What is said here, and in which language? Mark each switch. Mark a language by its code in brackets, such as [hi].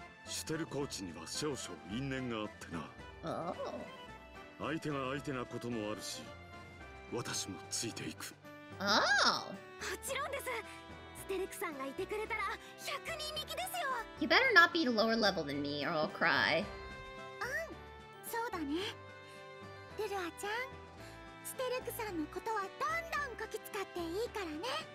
[ja] シュテルコーチには少々因縁があってな。 Oh. 相手が相手なこともあるし、私もついていく。 Oh. もちろんです。ステルクさんがいてくれたら百人力ですよ。 [en] You better not be lower level than me, or I'll cry. [ja] うん、そうだね。ルルアちゃん、ステルクさんのことはどんどんこき使っていいからね。